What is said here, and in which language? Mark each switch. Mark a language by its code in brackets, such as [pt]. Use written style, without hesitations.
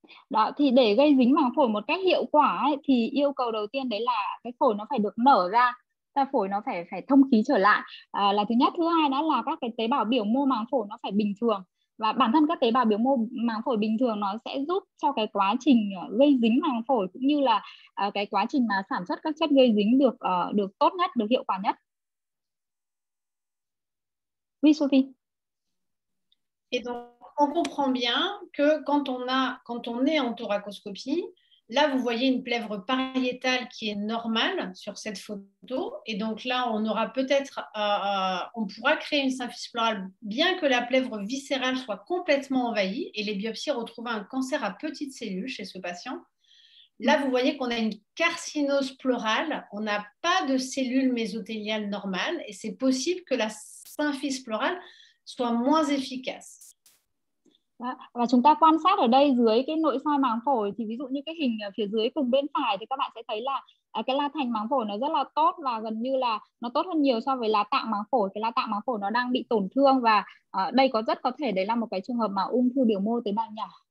[vi] Đó, thì để gây dính màng phổi một cách hiệu quả ấy, thì yêu cầu đầu tiên đấy là cái phổi nó phải được nở ra. Ta phổi nó phải thông khí trở lại. Là thứ nhất, thứ hai đó là các cái tế bào biểu mô màng phổi nó phải bình thường. Và bản thân các tế bào biểu mô màng phổi bình thường nó sẽ giúp cho cái quá trình gây dính màng phổi cũng như là cái quá trình mà sản xuất các chất gây dính được được tốt nhất, được hiệu quả nhất. [fr] Oui, Sophie. Et donc on comprend bien que quand on est en thoracoscopie, là vous voyez une plèvre pariétale qui est normale sur cette photo, et donc là on aura peut-être, on pourra créer une symphyse pleurale bien que la plèvre viscérale soit complètement envahie et les biopsies retrouvent un cancer à petites cellules chez ce patient. Là vous voyez qu'on a une carcinose pleurale, on n'a pas de cellules mésothéliales normales et c'est possible que la symphyse pleurale soit moins efficace. [vi] Và chúng ta quan sát ở đây dưới cái nội soi màng phổi thì ví dụ như cái hình phía dưới cùng bên phải thì các bạn sẽ thấy là cái la thành màng phổi nó rất là tốt và gần như là nó tốt hơn nhiều so với lá tạng màng phổi. Cái lá tạng màng phổi nó đang bị tổn thương và đây có rất có thể đấy là một cái trường hợp mà ung thư biểu mô tế bào nhỏ.